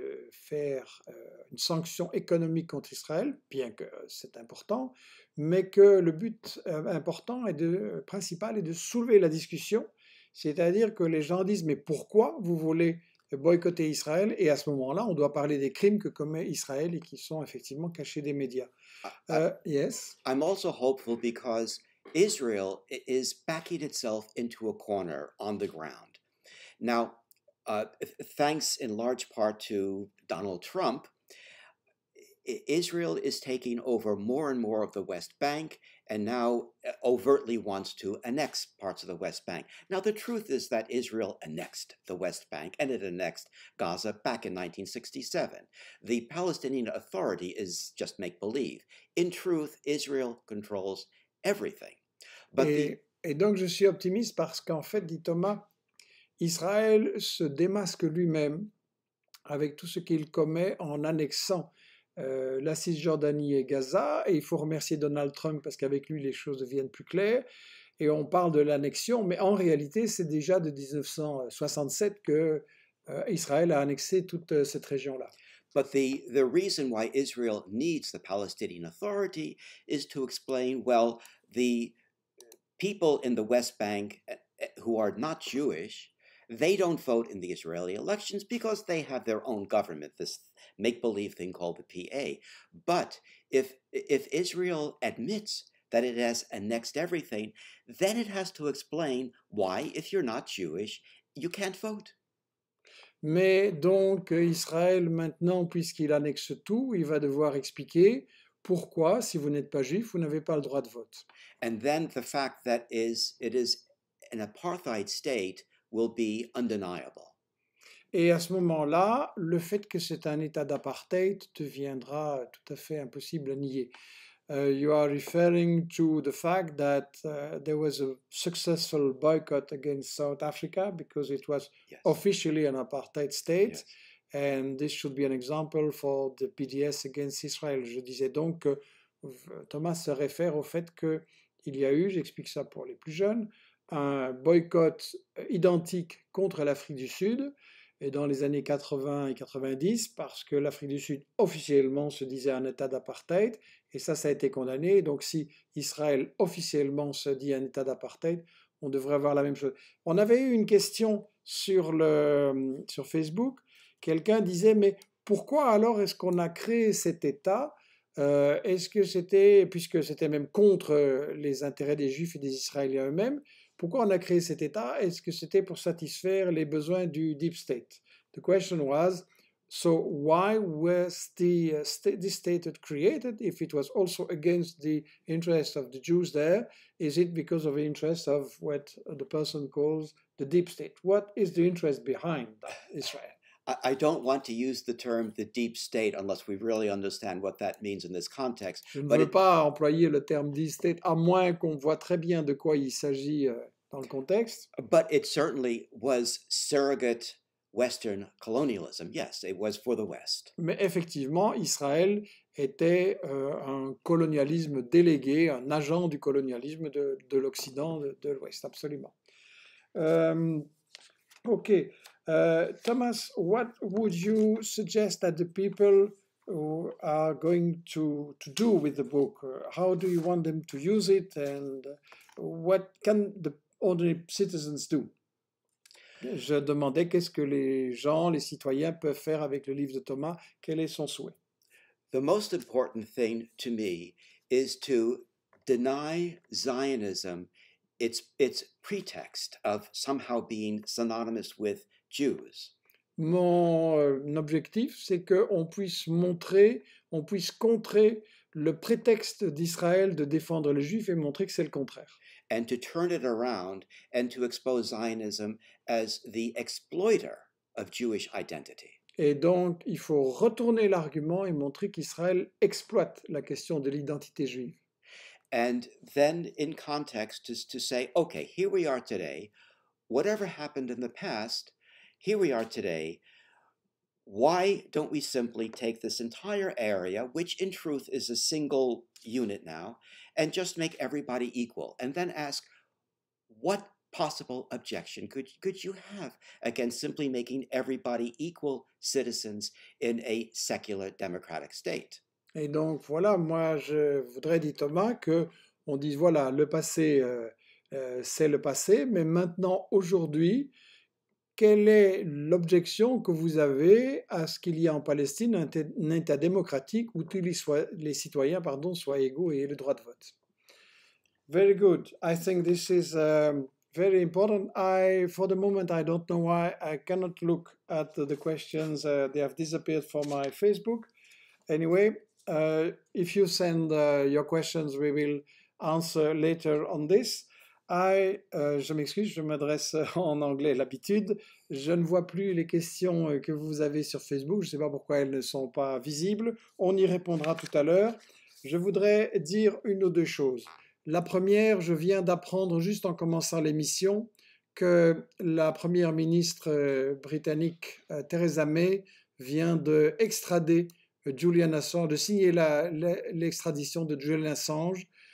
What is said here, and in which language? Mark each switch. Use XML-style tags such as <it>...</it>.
<fr>faire une sanction économique contre Israël, bien que c'est important, mais que le but important et principal est de soulever la discussion, c'est-à-dire que les gens disent « mais pourquoi vous voulez boycotter Israël ?» Et à ce moment-là, on doit parler des crimes que commet Israël et qui sont effectivement cachés des médias.</fr> <en>Yes. I'm also hopeful because Israel is backing itself into a corner on the ground. Now, thanks in large part to Donald Trump, Israel is taking over more and more of the West Bank and now overtly wants to annex parts of the West Bank. Now, the truth is that Israel annexed the West Bank and it annexed Gaza back in 1967. The Palestinian Authority is just make-believe. In truth, Israel controls everything.</en> <fr>Et donc, je suis optimiste parce qu'en fait, dit Thomas, Israël se démasque lui-même avec tout ce qu'il commet en annexant la Cisjordanie et Gaza. Et il faut remercier Donald Trump parce qu'avec lui, les choses deviennent plus claires. Et on parle de l'annexion, mais en réalité, c'est déjà de 1967 que Israël a annexé toute cette région-là.</fr> <en>But the reason why Israel needs the Palestinian Authority is to explain, well, the people in the West Bank who are not Jewish, they don't vote in the Israeli elections because they have their own government, this make-believe thing called the PA. But if Israel admits that it has annexed everything, then it has to explain why, if you're not Jewish, you can't vote.</en> <fr>Mais donc Israël, maintenant, puisqu'il annexe tout, il va devoir expliquer pourquoi, si vous n'êtes pas juif, vous n'avez pas le droit de vote.</fr> <en>And then the fact that it is an apartheid state will be undeniable.</en> <fr>Et à ce moment-là, le fait que c'est un état d'apartheid deviendra tout à fait impossible à nier.</fr> <en>You are referring to the fact that there was a successful boycott against South Africa because it was officially an apartheid state. Yes. And this should be an example for the BDS against Israel.</en> <fr>Je disais donc que Thomas se réfère au fait qu'il y a eu, j'explique ça pour les plus jeunes, un boycott identique contre l'Afrique du Sud et dans les années 80 et 90 parce que l'Afrique du Sud officiellement se disait un état d'apartheid et ça a été condamné. Donc si Israël officiellement se dit un état d'apartheid, on devrait avoir la même chose. On avait eu une question sur Facebook. Quelqu'un disait, mais pourquoi alors est-ce qu'on a créé cet État est-ce que c'était, puisque c'était même contre les intérêts des Juifs et des Israéliens eux-mêmes, pourquoi on a créé cet État? Est-ce que c'était pour satisfaire les besoins du Deep State?</fr> <en>The question was, so why was this state created if it was also against the interests of the Jews there? Is it because of the interests of what the person calls the Deep State? What is the interest behind Israel? I don't want to use the term the deep state unless we really understand what that means in this context.</en> <fr>Je ne veux pas employer le terme deep state à moins qu'on voit très bien de quoi il s'agit dans le contexte.</fr> <en>But it certainly was surrogate Western colonialism. Yes, it was for the West.</en> <fr>Mais effectivement, Israël était un colonialisme délégué, un agent du colonialisme de l'Occident, de l'Ouest, absolument.</fr> <en>OK. Thomas, what would you suggest that the people who are going to do with the book? How do you want them to use it? And what can the ordinary citizens do?</en> <fr>Je demandais qu'est-ce que les gens, les citoyens peuvent faire avec le livre de Thomas. Quel est son souhait?</fr> <en>The most important thing to me is to deny Zionism its pretext of somehow being synonymous with Jews.</en> <fr>Mon objectif, c'est qu'on puisse montrer, on puisse contrer le prétexte d'Israël de défendre les Juifs et montrer que c'est le contraire.</fr> <en>And to turn it around and to expose Zionism as the exploiter of Jewish identity.</en> <fr>Et donc, il faut retourner l'argument et montrer qu'Israël exploite la question de l'identité juive.</fr> <en>And then, in context, is to say, okay, here we are today. Whatever happened in the past. Here we are today. Why don't we simply take this entire area, which in truth is a single unit now, and just make everybody equal? And then ask, what possible objection could you have against simply making everybody equal citizens in a secular democratic state?</en> <fr>Et donc voilà, moi je voudrais dire Thomas que on dise voilà, le passé c'est le passé, mais maintenant aujourd'hui, quelle est l'objection que vous avez à ce qu'il y ait en Palestine un État démocratique où tous les citoyens soient égaux et aient le droit de vote?</fr> <en>Very good. I think this is very important. For the moment, I don't know why I cannot look at the questions. They have disappeared from my Facebook. Anyway, if you send your questions, we will answer later on this.</en> <fr>Je m'excuse, je m'adresse en anglais l'habitude. Je ne vois plus les questions que vous avez sur Facebook. Je ne sais pas pourquoi elles ne sont pas visibles. On y répondra tout à l'heure. Je voudrais dire une ou deux choses. La première, je viens d'apprendre juste en commençant l'émission que la première ministre britannique, Theresa May, vient d'extrader Julian Assange, de signer l'extradition de Julian Assange.</fr>